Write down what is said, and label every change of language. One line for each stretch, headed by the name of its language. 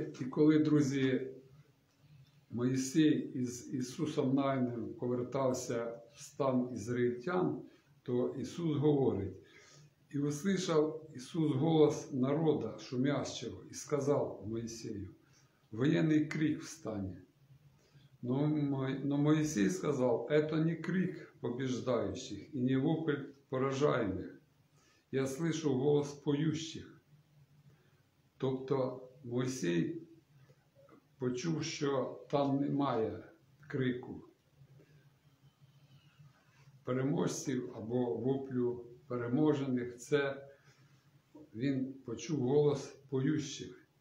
Ukrainian: Коли, друзі, Мойсей із Ісусом Навіним повертався в стан ізраїльтян, то Ісус говорить:
Russian: «І услышав Ісус голос народа шумящого і сказав Мойсею: воєнний крик встане. Но Моисей сказал: это не крик побеждающих и не вопль поражаемых. Я слышу голос поющих».
Ukrainian: Тобто Моисей почув, що там немає крику переможців або воплю переможених. Це він почув голос поющих.